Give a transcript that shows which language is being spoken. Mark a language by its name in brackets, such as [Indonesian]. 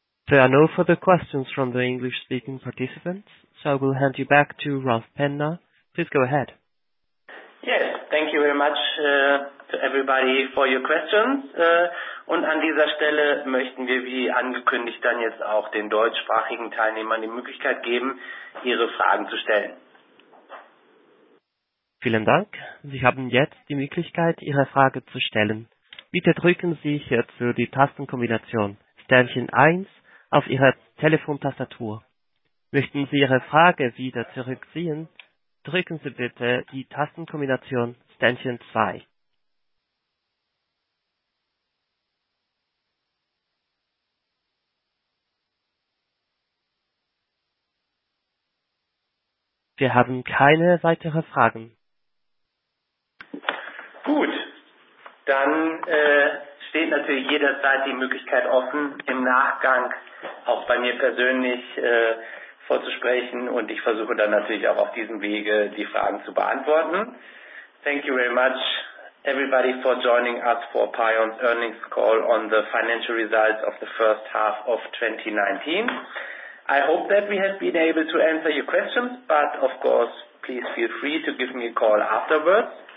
[English] There are no further questions from the English-speaking participants, so I will hand you back to Ralf Penner. Please go ahead. Yes, thank you very much to everybody for your questions. [German] Und an dieser Stelle möchten wir, wie angekündigt, dann jetzt auch den deutschsprachigen Teilnehmern die Möglichkeit geben, ihre Fragen zu stellen. Vielen Dank. Sie haben jetzt die Möglichkeit, Ihre Frage zu stellen. Bitte drücken Sie hierzu die Tastenkombination *1 auf Ihrer Telefontastatur. Möchten Sie Ihre Frage wieder zurückziehen, drücken Sie bitte die Tastenkombination *2. Wir haben keine weiteren Fragen. Gut, dann steht natürlich jederzeit die Möglichkeit offen, im Nachgang auch bei mir persönlich vorzusprechen, und ich versuche dann natürlich auch auf diesem Wege die Fragen zu beantworten. [English] Thank you very much, everybody, for joining us for Pion's earnings call on the financial results of the first half of 2019. I hope that we have been able to answer your questions, but of course, please feel free to give me a call afterwards.